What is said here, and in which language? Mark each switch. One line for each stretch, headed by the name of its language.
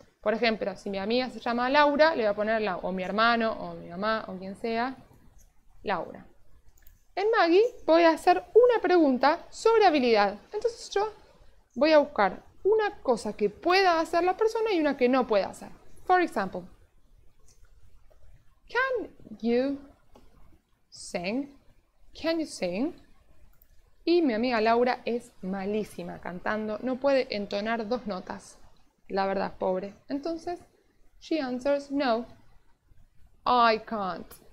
Spanish: Por ejemplo, si mi amiga se llama Laura, le voy a poner la, o mi hermano, o mi mamá, o quien sea, Laura. En Maggie voy a hacer una pregunta sobre habilidad. Entonces yo voy a buscar una cosa que pueda hacer la persona y una que no pueda hacer.
English: For example, can you sing? Can you sing?
Spanish: Y mi amiga Laura es malísima cantando, no puede entonar dos notas. La verdad, pobre. Entonces,
English: she answers, no, I can't.